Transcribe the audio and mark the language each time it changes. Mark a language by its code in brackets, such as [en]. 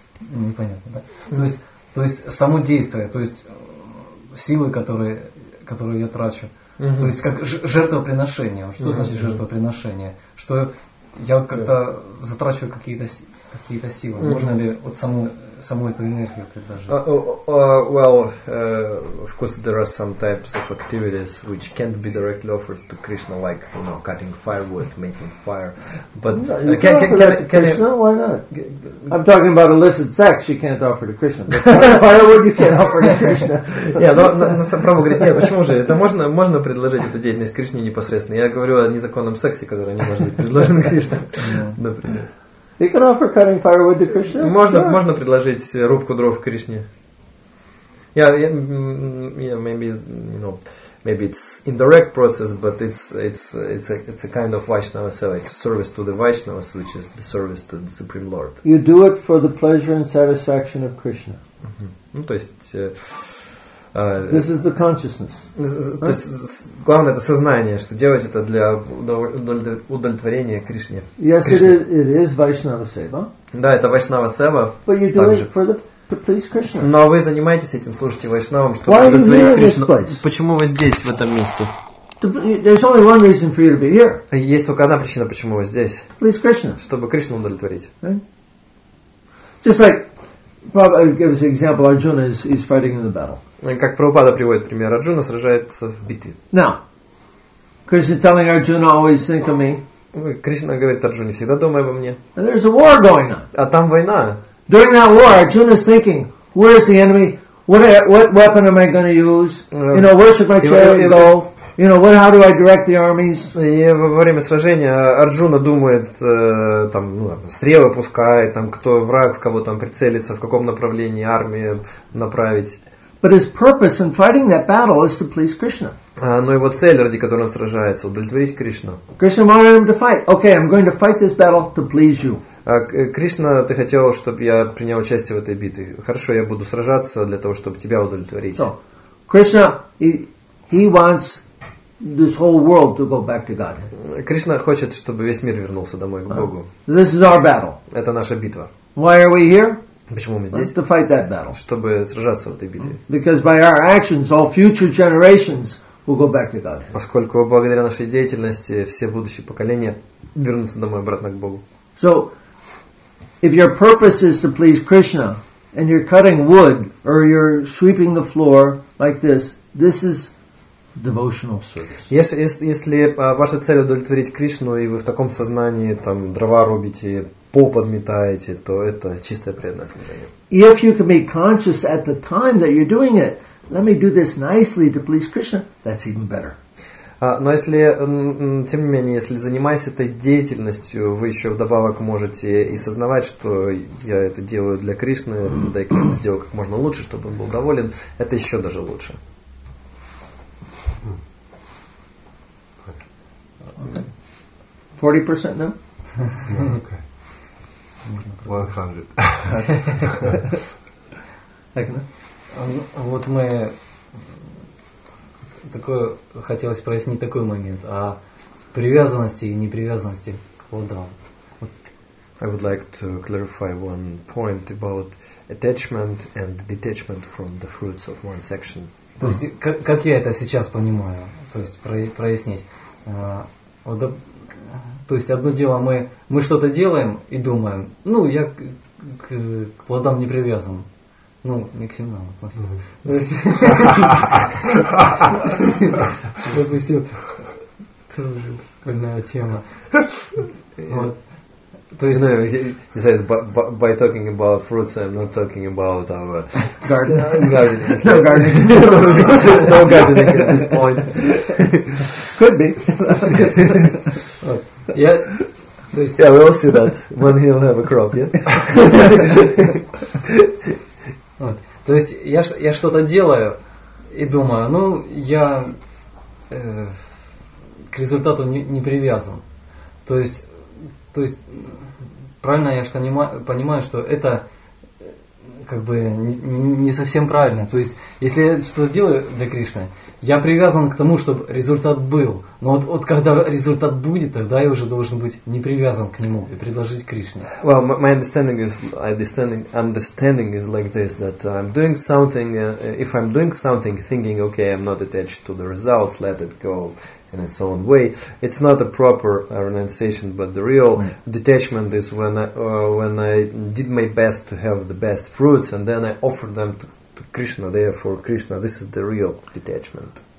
[ru] Непонятно, да? То есть само действие, то есть силы, которые я трачу. Uh-huh. То есть как жертвоприношение. Что uh-huh. значит жертвоприношение? Что я вот как-то затрачиваю какие-то силы. Uh-huh. Можно ли вот саму эту энергию предложить? [en] Of course there are some types of activities which can't be directly offered to Krishna, like you know, cutting firewood, making fire. But I'm talking about illicit sex you can't offer to Krishna. But firewood you can't offer to Krishna. [ru] Сам Прабху говорит, нет, почему же? Это можно предложить эту деятельность Кришне непосредственно. Я говорю о незаконном сексе, который не может быть предложен Кришне. Например. [en] You can offer cutting firewood to Krishna? [ru] Можно предложить рубку дров Кришне. [en] Maybe it's indirect process, but it's a kind of Vaishnava seva. It's a service to the Vaishnavas, which is the service to the Supreme Lord. You do it for the pleasure and satisfaction of Krishna. [ru] Mm-hmm. То есть, [en] this is the consciousness. [ru] То есть, главное это сознание, что делать это для удовлетворения Кришне. [en] Yes, it is Vaishnava seva. [ru] Да, это Vaishnava seva. [en] But you do it for the to please Krishna. [ru] Но вы занимаетесь этим, служите вайшнавам, чтобы удовлетворить Кришну. Почему вы здесь, в этом месте? [en] There's only one reason for you to be here. [ru] Есть только одна причина, почему вы здесь. [en] Please Krishna. [ru] Чтобы Кришну удовлетворить. [en] Just like Prabhupada gives an example, Arjuna is fighting in the battle. [ru] Как Прабхупада приводит пример, Арджуна сражается в битве. [en] Now, Krishna telling Arjuna always think of me. [ru] Кришна говорит Арджуне, всегда думай обо мне. [en] And there's a war going on. [ru] А там война. [en] During that war, Arjuna is thinking, where is the enemy? What weapon am I going to use? You know, where should my chariot go? You know, how do I direct the armies? [ru] И во время сражения Арджуна думает, стрелы пускает, кто враг, в кого там прицелиться, в каком направлении армию направить. [en] But his purpose in fighting that battle is to please Krishna. [ru] Но его цель, ради которой он сражается, удовлетворить Кришну. [en] Krishna wanted him to fight. Okay, I'm going to fight this battle to please you. [ru] Кришна, ты хотел, чтобы я принял участие в этой битве. Хорошо, я буду сражаться для того, чтобы тебя удовлетворить. [en] So, Krishna, he wants this whole world to go back to God. [ru] Кришна хочет, чтобы весь мир вернулся домой к Богу. [en] This is our battle. [ru] Это наша битва. [en] Why are we here? [ru] Почему мы здесь? [en] To fight that battle. [ru] Чтобы сражаться в этой битве. [en] Because by our actions, all future generations will go back to God. [ru] Поскольку благодаря нашей деятельности все будущие поколения вернутся домой обратно к Богу. [en] So, if your purpose is to please Krishna, and you're cutting wood or you're sweeping the floor like this, this is devotional service. [ru] Если ваша цель удовлетворить Кришну и вы в таком сознании там дрова рубите, пол подметаете, то это чистое преданное служение. [en] If you can be conscious at the time that you're doing it, let me do this nicely to please Krishna, that's even better. [ru] Но если, тем не менее, если занимаясь этой деятельностью, вы еще вдобавок можете и сознавать, что я это делаю для Кришны, да и как это сделаю как можно лучше, чтобы он был доволен, это еще даже лучше. [en] Forty percent now? Okay. 100. [ru] Вот мы... Такое хотелось прояснить такой момент, а привязанности и непривязанности к плодам. [en] I would like to clarify one point about attachment and detachment from the fruits of one's action. [ru] То есть как я это сейчас понимаю, то есть прояснить. Вот, то есть одно дело мы что-то делаем и думаем, ну я к плодам не привязан. Ну, не к сигналу относится. Допустим, больная тема. То есть, [en] no, he says by talking about fruits, I'm not talking about our gardening. No gardening at this point. Could be. Yeah, we'll see that when he'll have a crop, yeah. [ru] То есть я что-то делаю и думаю, ну я к результату не привязан. То есть правильно я что понимаю, что это как бы не совсем правильно. То есть если я что-то делаю для Кришны, я привязан к тому, чтобы результат был. Но вот когда результат будет, тогда я уже должен быть не привязан к нему и предложить Кришне. [en] Well, my understanding is like this, that I'm doing something, if I'm doing something thinking, okay, I'm not attached to the results, let it go in its own way, it's not a proper renunciation, but the real detachment is when I did my best to have the best fruits and then I offered them to Krishna, therefore Krishna, this is the real detachment.